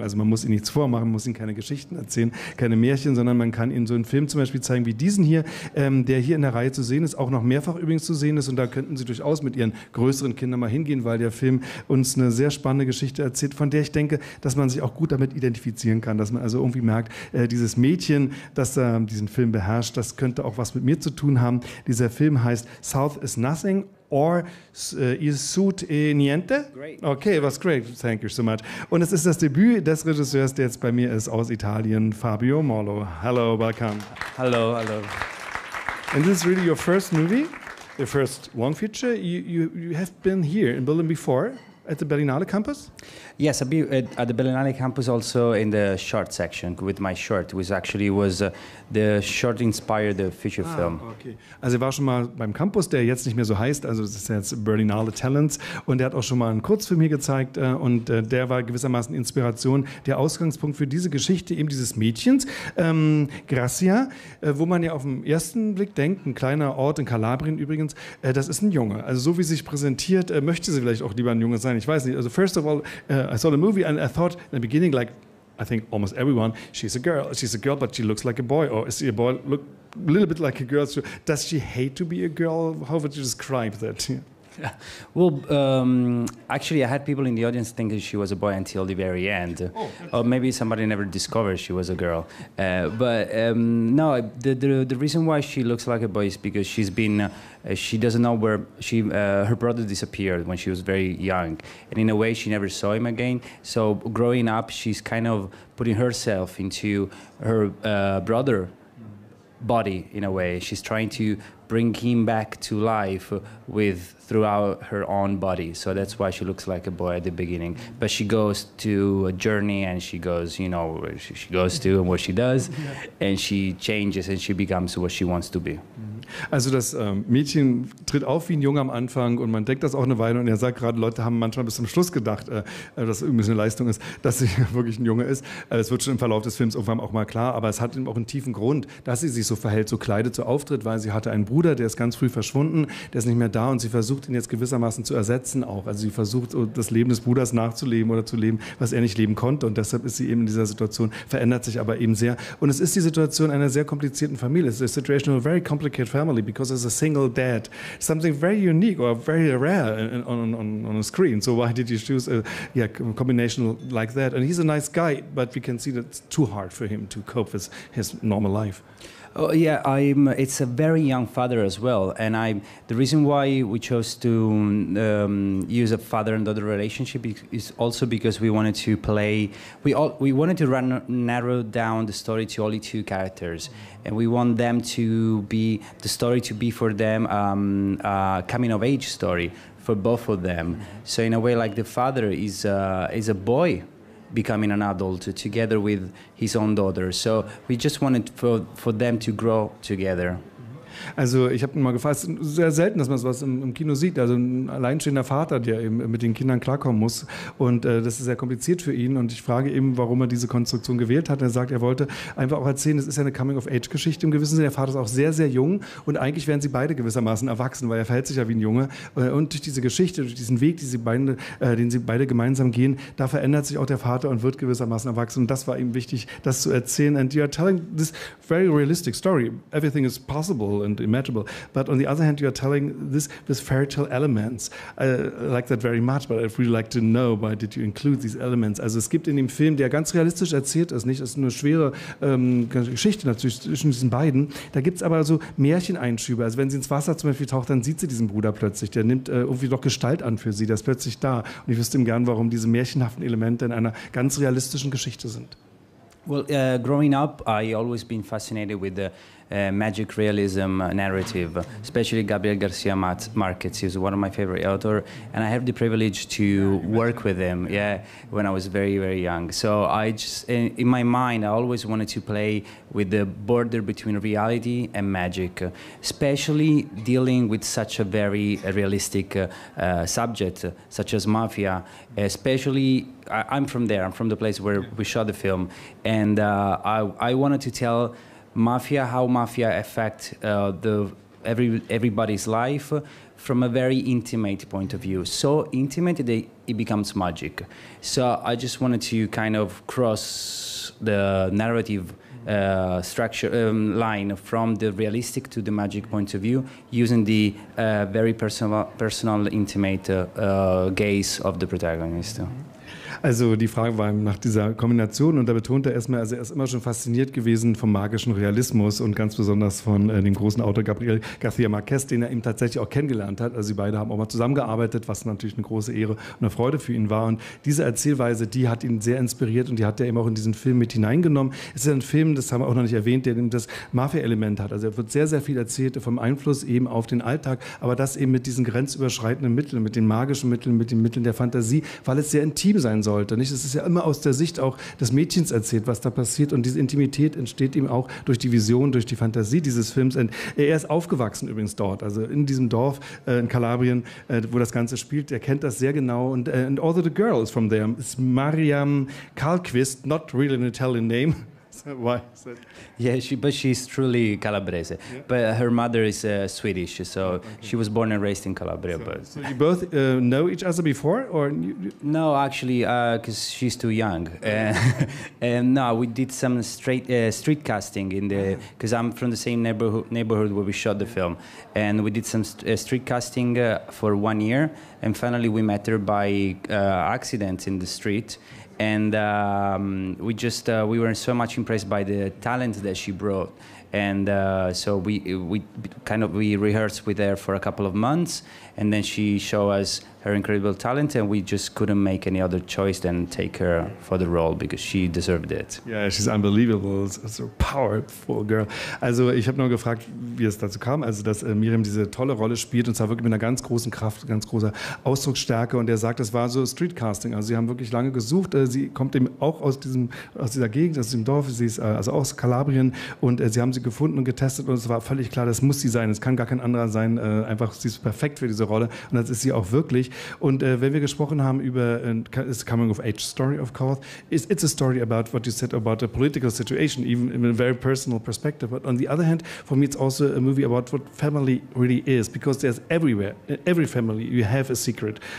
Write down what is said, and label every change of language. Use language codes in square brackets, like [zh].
[de] Also man muss ihnen nichts vormachen, muss ihnen keine Geschichten erzählen, keine Märchen, sondern man kann ihnen so einen Film zum Beispiel zeigen wie diesen hier, der hier in der Reihe zu sehen ist, auch noch mehrfach übrigens zu sehen ist. Und da könnten sie durchaus mit ihren größeren Kindern mal hingehen, weil der Film uns eine sehr spannende Geschichte erzählt, von der ich denke, dass man sich auch gut damit identifizieren kann, dass man also irgendwie merkt, dieses Mädchen, das diesen Film beherrscht, das könnte auch was mit mir zu tun haben. Dieser Film heißt South is Nothing or Il Sud è Niente. [en] Great. Okay, it was great. Thank you so much. [de] Und es ist das Debüt des Regisseurs, der jetzt bei mir ist, aus Italien, Fabio Morlo. [en] Hello, welcome. Hello, hello. And this is really your first movie, your first long feature. You have been here in Berlin before. At the Berlinale campus? Yes, at the Berlinale campus, also in the short section with my short, which actually was the short inspired the feature film. Okay. [de] Also er war schon mal beim Campus, der jetzt nicht mehr so heißt, also das ist jetzt Berlinale Talents, und er hat auch schon mal einen Kurzfilm hier gezeigt und der war gewissermaßen Inspiration, der Ausgangspunkt für diese Geschichte eben dieses Mädchens, Gracia, wo man ja auf den ersten Blick denkt, ein kleiner Ort in Kalabrien übrigens, das ist ein Junge. Also so wie sie sich präsentiert, möchte sie vielleicht auch lieber ein Junge sein. Ich weiß nicht. Also [en] first of all, I saw the movie and I thought in the beginning, like I think almost everyone, she's a girl, but she looks like a boy, or is she a boy, look a little bit like a girl. So does she hate to be a girl? How would you describe that? Yeah. Well, actually, I had people in the audience thinking she was a boy until the very end, or maybe somebody never discovered she was a girl. But no, the reason why she looks like a boy is because she's been. She doesn't know where she. Her brother disappeared when she was very young, and in a way, she never saw him again. So growing up, she's kind of putting herself into her brother. Body in a way, she's trying to bring him back to life with throughout her own body, so that's why she looks like a boy at the beginning. But she goes to a journey and she goes, you know, she goes to and what she does, and she changes and she becomes what she wants to be. [de] Also, das Mädchen tritt auf wie ein Junge am Anfang und man denkt das auch eine Weile. Und er sagt gerade, Leute haben manchmal bis zum Schluss gedacht, dass irgendwie eine Leistung ist, dass sie wirklich ein Junge ist. Es wird schon im Verlauf des Films irgendwann auch mal klar, aber es hat eben auch einen tiefen Grund, dass sie sich so verhält, so kleidet, so auftritt, weil sie hatte einen Bruder, der ist ganz früh verschwunden, der ist nicht mehr da und sie versucht ihn jetzt gewissermaßen zu ersetzen auch. Also, sie versucht, das Leben des Bruders nachzuleben oder zu leben, was er nicht leben konnte. Und deshalb ist sie eben in dieser Situation, verändert sich aber eben sehr. Und es ist die Situation einer sehr komplizierten Familie. [en] It's a situation of a very complicated family. Because as a single dad, something very unique or very rare on a screen. So why did you choose a combination like that? And he's a nice guy, but we can see that it's too hard for him to cope with his normal life. Oh yeah, it's a very young father as well, and the reason why we chose to use a father and daughter relationship is also because we wanted to narrow down the story to only two characters, and we want them to be the story to be for them a coming of age story for both of them. So in a way, like the father is a boy. Becoming an adult together with his own daughter. So we just wanted for them to grow together. [de] Also ich habe mal gefragt, es ist sehr selten, dass man sowas im Kino sieht, also ein alleinstehender Vater, der eben mit den Kindern klarkommen muss und das ist sehr kompliziert für ihn und ich frage eben, warum er diese Konstruktion gewählt hat. Er sagt, er wollte einfach auch erzählen, es ist ja eine Coming-of-Age-Geschichte im gewissen Sinne, der Vater ist auch sehr, sehr jung und eigentlich werden sie beide gewissermaßen erwachsen, weil er verhält sich ja wie ein Junge und durch diese Geschichte, durch diesen Weg, den sie beide gemeinsam gehen, da verändert sich auch der Vater und wird gewissermaßen erwachsen und das war ihm wichtig, das zu erzählen. [en] And you are telling this very realistic story, everything is possible and imaginable. But on the other hand, you are telling this fairy tale elements. I like that very much, but I'd really like to know, why did you include these elements? [de] Also es gibt in dem Film, der ganz realistisch erzählt ist, nicht, es ist eine schwere Geschichte natürlich zwischen diesen beiden, da gibt es aber so Märcheneinschübe. Also wenn sie ins Wasser zum Beispiel taucht, dann sieht sie diesen Bruder plötzlich. Der nimmt irgendwie doch Gestalt an für sie. Der ist plötzlich da. Und ich wüsste ihm gern, warum diese märchenhaften Elemente in einer ganz realistischen Geschichte sind. [en] Well, growing up, I always been fascinated with the magic realism narrative, especially Gabriel Garcia Marquez. He's one of my favorite authors, and I have the privilege to work with him, yeah, when I was very, very young. So I just, in my mind, I always wanted to play with the border between reality and magic, especially dealing with such a very realistic subject, such as mafia, especially. I'm from there. I'm from the place where we shot the film, and I wanted to tell mafia, how mafia affect everybody's life from a very intimate point of view. So intimate that it becomes magic. So I just wanted to kind of cross the narrative line from the realistic to the magic point of view, using the very personal intimate gaze of the protagonist. [de] Also die Frage war nach dieser Kombination, und da betont er erstmal, also er ist immer schon fasziniert gewesen vom magischen Realismus und ganz besonders von dem großen Autor Gabriel García Márquez, den er eben tatsächlich auch kennengelernt hat. Also sie beide haben auch mal zusammengearbeitet, was natürlich eine große Ehre und eine Freude für ihn war. Und diese Erzählweise, die hat ihn sehr inspiriert und die hat er eben auch in diesen Film mit hineingenommen. Es ist ein Film, das haben wir auch noch nicht erwähnt, der eben das Mafia-Element hat. Also er wird sehr, sehr viel erzählt vom Einfluss eben auf den Alltag, aber das eben mit diesen grenzüberschreitenden Mitteln, mit den magischen Mitteln, mit den Mitteln der Fantasie, weil es sehr intim sein soll. Es ist ja immer aus der Sicht auch des Mädchens erzählt, was da passiert. Und diese Intimität entsteht ihm auch durch die Vision, durch die Fantasie dieses Films. Und er ist aufgewachsen übrigens dort, also in diesem Dorf in Kalabrien, wo das Ganze spielt. Er kennt das sehr genau. [en] Und and also the girl is from there. It's Mariam Carlquist, not really an Italian name. Why is it? Yeah, but she's truly Calabrese. Yeah. But her mother is Swedish, so okay. She was born and raised in Calabria. So, but so you both know each other before, or no? Actually, because she's too young. And no, we did some street casting in the, because I'm from the same neighborhood where we shot the film, and we did some street casting for 1 year, and finally we met her by accident in the street. And we were so much impressed by the talent that she brought. And so we rehearsed with her for a couple of months, and then she showed us her incredible talent, and we just couldn't make any other choice than take her for the role, because she deserved it. Yeah, she's unbelievable, so powerful girl. [de] Also ich habe nur gefragt, wie es dazu kam, also dass Miriam diese tolle Rolle spielt, und zwar wirklich mit einer ganz großen Kraft, ganz großer Ausdrucksstärke, und er sagt, das war so Streetcasting, also sie haben wirklich lange gesucht, sie kommt eben auch aus dieser Gegend, aus diesem Dorf, sie ist also aus Kalabrien, und sie haben sie gefunden und getestet, und es war völlig klar, das muss sie sein, es kann gar kein anderer sein, einfach sie ist perfekt für diese Rolle, und das ist sie auch wirklich. Und wenn wir gesprochen haben über [en] it's a coming-of-age story, of course, it's a story about what you said about the political situation, even in a very personal perspective. But on the other hand, for me, it's also a movie about what family really is, because there's everywhere, in every family, you have a secret.